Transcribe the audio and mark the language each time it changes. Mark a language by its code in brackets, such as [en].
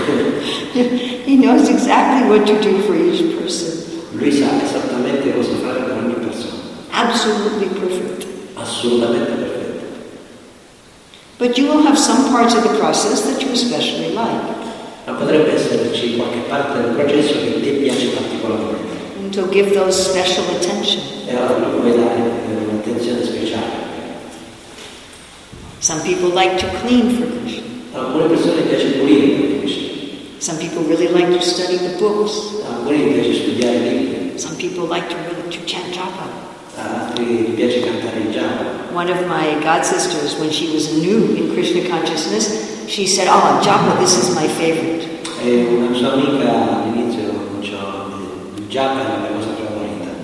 [en] He knows exactly what to do for each person. [it] Lui sa esattamente cosa fare per ogni persona. [en] Absolutely perfect. [it] Assolutamente perfetto. [en] But you will have some parts of the process that you especially like. [it] Ma potrebbe esserci qualche parte del processo che ti piace particolarmente. [en] And to give those special attention. [it] E allora vuoi dare un'attenzione speciale. [en] Some people like to clean for Krishna. [it] Alcune persone piace pulire per Krishna. [en] Some people really like to study the books. [it] Alcune piace studiare lì. [en] Some people like to chant japa. [it] Altri piace cantare il japa. [en] One of my god sisters, when she was new in Krishna consciousness, she said, "Oh, japa, this is my favorite." [it] E una sua amica all'inizio cominciò il japa, la cosa favorita.